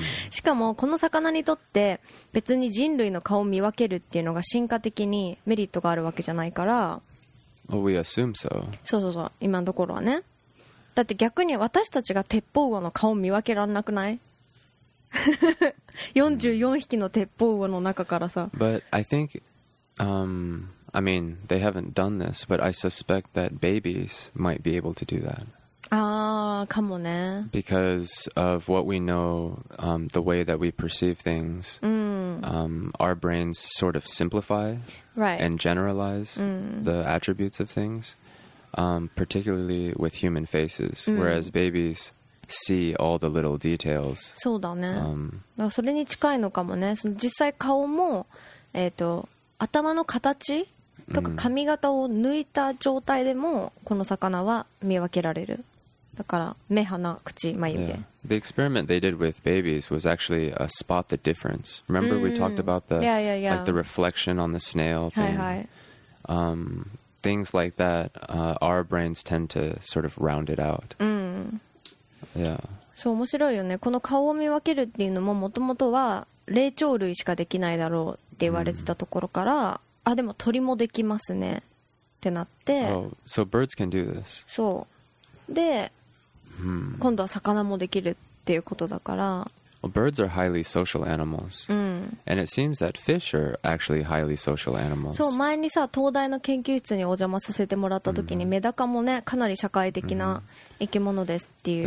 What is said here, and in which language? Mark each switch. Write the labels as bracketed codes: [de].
[ja] しかもこの魚にとって別に人類の顔を見分けるっていうのが進化的にメリットがあるわけじゃないから、 [en] well, we assume so. [ja] そうそうそう、今のところはね。だって逆に私たちが鉄砲魚の顔を見分けられなくない?44 匹の鉄砲魚の中からさ。 [en] But I thinkI mean, they haven't done this, but I suspect that babies might be able to do that. [ja] Ah, かもね。 [en] Because of what we know, the way that we perceive things, our brains sort of simplify right. and generalize the attributes of things, particularly with human faces, whereas babies... See all the little details. [ja] そうだね。だそれに近いのかもね。その実際顔も、頭の形とか髪型を抜いた状態でもこの魚は見分けられる。だから目鼻口眉毛。 [en] Yeah. The experiment they did with babies was actually a spot the difference. Remember we talked about the like the reflection on the snail thing. [ja] はいはい。 [en] Things like that, our brains tend to sort of round it out. Yeah. [ja] そう、面白いよね。この顔を見分けるっていうのも、もともとは霊長類しかできないだろうって言われてたところから、mm. あ、でも鳥もできますねってなって、 [en] oh, so birds can do this. [ja] そうで、mm. 今度は魚もできるっていうことだから、 [en] well, birds are highly social animals. And it seems that fish are actually highly social animals. [ja] そう、前にさ、東大の研究室にお邪魔させてもらった時に、mm-hmm. メダカもね、かなり社会的な生き物ですっていう。